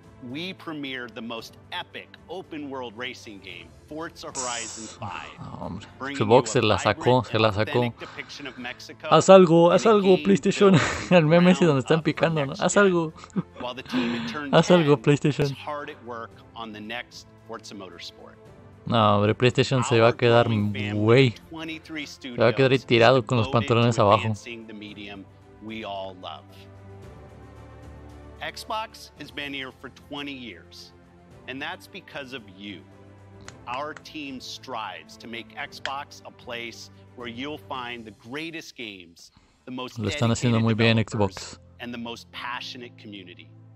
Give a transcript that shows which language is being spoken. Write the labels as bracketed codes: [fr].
[en] we premiered the most epic open-world racing game, Forza Horizon 5. [es] Xbox se la sacó, Haz algo, PlayStation. El meme ese donde están picando, ¿no? Haz algo. Haz algo, PlayStation. [en] Hard at work on the next Forza Motorsport. [es] No, hombre, PlayStation se va a quedar, güey. Se va a quedar ahí tirado con los pantalones abajo. [en] Xbox has been here for 20 years, and that's because of you. Our team strives to make Xbox a place where you'll find the greatest games, the most dedicated developers, and the most passionate community.